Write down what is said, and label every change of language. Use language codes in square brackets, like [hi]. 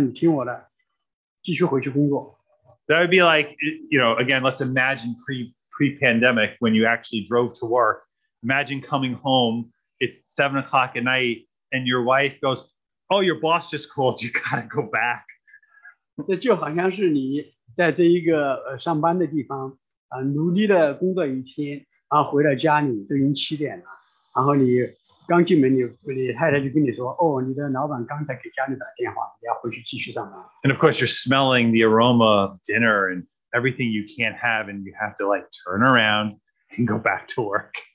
[zh] 我们想想耶稣对彼得是怎样说，他说：“彼得，我知道你这一天呢已经工作已经做完了，但是呢，你听我的，继续回去工作。”That [en] would be like, you know, again, let's imagine pre-pandemic when you actually drove to work. Imagine coming home, it's 7 o'clock at night, and your wife goes, "Oh, your boss just called. You gotta go back." [zh] 这就好像是你在这一个上班的地方，努力的工作一天。然后回到家里，都已经七点了，然后你刚进门，你太太就跟你说，哦，你的老板刚才给家里打电话，你要回去继续上班。And [en] of course, you're smelling the aroma of dinner and everything you can't have, and you have to like turn around and go back to work.